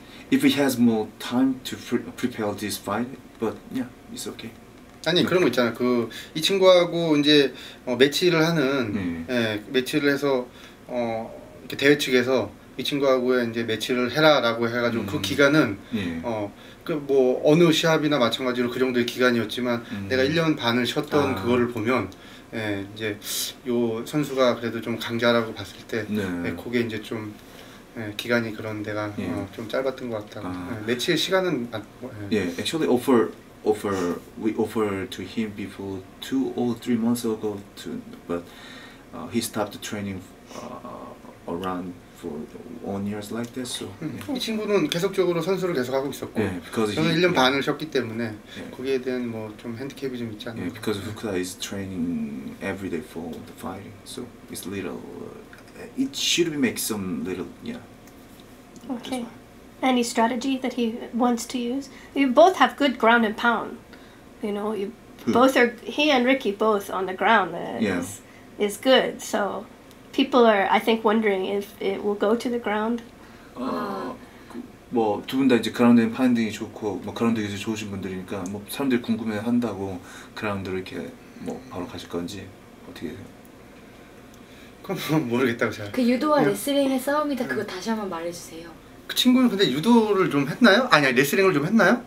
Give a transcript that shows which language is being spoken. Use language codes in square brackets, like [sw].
[en] If he has more time to prepare this fight, but yeah, it's okay. [ko] 아니 그런 거 있잖아. 그 이 친구하고 이제 매치를 하는, 매치를 해서 이렇게 대회 측에서 이 친구하고 이제 매치를 해라라고 해가지고 그 기간은 그 뭐 어느 시합이나 마찬가지로 그 정도의 기간이었지만 내가 1년 반을 쉬었던 그거를 보면. 예, 이제 요 선수가 그래도 좀 강자라고 봤을 때, 예, 그게 이제 좀 기간이 그런 데가 좀 짧았던 것 같다. 매치의 시간은 [en] Actually, we offer to him before 2 or 3 months ago, but he stopped training around for 1 year like this. So [ko] 이 친구는 계속적으로 선수를 계속하고 있었고, [en] because [ko] 저는 1년 반을 쉬었기 때문에 거기에 대한 뭐 좀 핸디캡이 좀 있지 않나. [en] Because Fukuda is training every day for the fighting, so it's little. It should make some little, yeah. Okay. any strategy that he wants to use. You both have good ground and pound, you know. You good. Both are, he and Ricky both on the ground is good. So people are, I think, wondering if it will go to the ground. [ko] 뭐 두 분 다 이제 그라운드 앤 파운딩이 좋고 뭐 그라운드 기술 좋으신 분들이니까 뭐 사람들이 궁금해 한다고 그라운드로 이렇게 뭐 바로 가실 건지 어떻게 돼요? 그건 모르겠다고 제가. 그 유도와 레슬링의 싸움이다 그거 다시 한번 말해주세요. 그 친구는 근데 유도를 좀 했나요? 아니야 레슬링을 좀 했나요?